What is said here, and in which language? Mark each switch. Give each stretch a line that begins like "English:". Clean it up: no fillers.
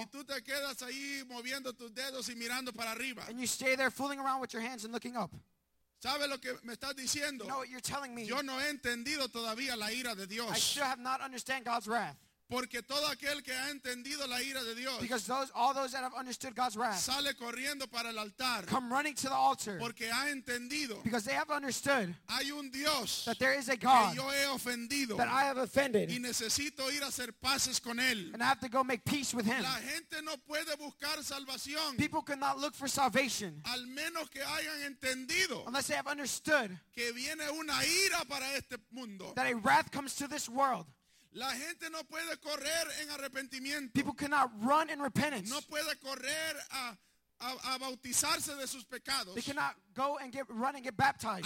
Spanish: y tú te quedas ahí moviendo tus dedos y mirando para arriba,
English: and you stay there fooling around with your hands and looking up.
Spanish: ¿Sabe lo que me estás diciendo?
English: You know what you're telling me.
Spanish: Yo no he entendido todavía la ira de Dios.
English: I still have not understood God's wrath.
Spanish: Porque todo aquel que ha entendido la ira de Dios,
English: because all those that have understood God's wrath,
Spanish: sale corriendo para el altar,
English: come running to the altar,
Spanish: porque ha entendido,
English: because they have understood,
Spanish: hay un Dios,
English: that there is a God,
Spanish: que yo he ofendido,
English: that I have offended,
Spanish: y necesito ir a hacer paces con él,
English: and I have to go make peace with him.
Spanish: La gente no puede buscar salvación,
English: people cannot look for salvation,
Spanish: al menos que hayan entendido,
English: unless they have understood,
Spanish: que viene una ira para este mundo,
English: that a wrath comes to this world.
Spanish: La gente no puede correr en arrepentimiento.
English: People cannot run in repentance.
Spanish: No puede correr a bautizarse de sus pecados.
English: They cannot go and get run and get baptized.